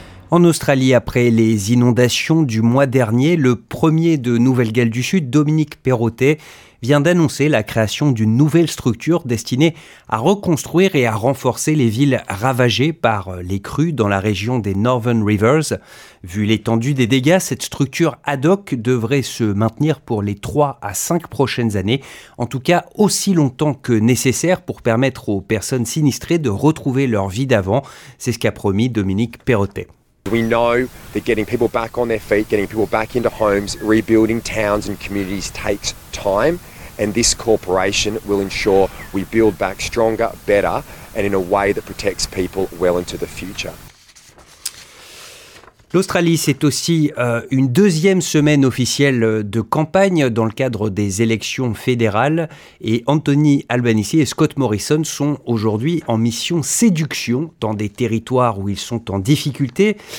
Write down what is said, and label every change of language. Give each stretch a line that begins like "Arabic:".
French: En Australie, après les inondations du mois dernier, le premier de Nouvelle-Galles du Sud, Dominique Perrottet, vient d'annoncer la création d'une nouvelle structure destinée à reconstruire et à renforcer les villes ravagées par les crues dans la région des Northern Rivers. Vu l'étendue des dégâts, cette structure ad hoc devrait se maintenir pour les 3 à 5 prochaines années, en tout cas aussi longtemps que nécessaire pour permettre aux personnes sinistrées de retrouver leur vie d'avant. C'est ce qu'a promis Dominique Perrottet.
English: We know that getting people back on their feet, getting people back into homes, rebuilding towns and communities takes time, and this corporation will ensure we build back stronger, better, and in a way that protects people well into the future.
French: L'Australie, c'est aussi une deuxième semaine officielle de campagne dans le cadre des élections fédérales. Et Anthony Albanese et Scott Morrison sont aujourd'hui en mission séduction dans des territoires où ils sont en difficulté.